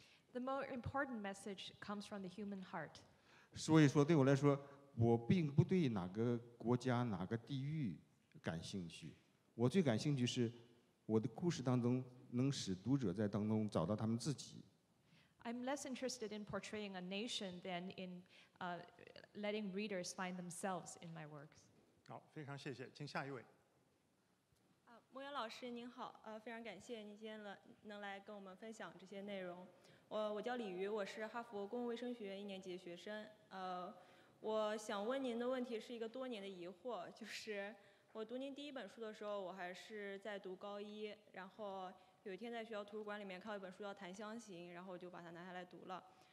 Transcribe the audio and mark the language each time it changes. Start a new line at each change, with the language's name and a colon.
English: The more important message comes from the human heart.
Chinese: 所以说对我来说，我并不对哪个国家哪个地域感兴趣，我最感兴趣是我的故事当中能使读者在当中找到他们自己。
English: I'm less interested in portraying a nation than in letting readers find themselves in my works.
Chinese: 好，非常谢谢，请下一位。莫言老师您好，非常感谢您今天能来跟我们分享这些内容。我叫李瑜，我是哈佛公共卫生学院一年级的学生。我想问您的问题是一个多年的疑惑，就是我读您第一本书的时候，我还是在读高一，然后有一天在学校图书馆里面看到一本书叫《檀香刑》，然后我就把它拿下来读了。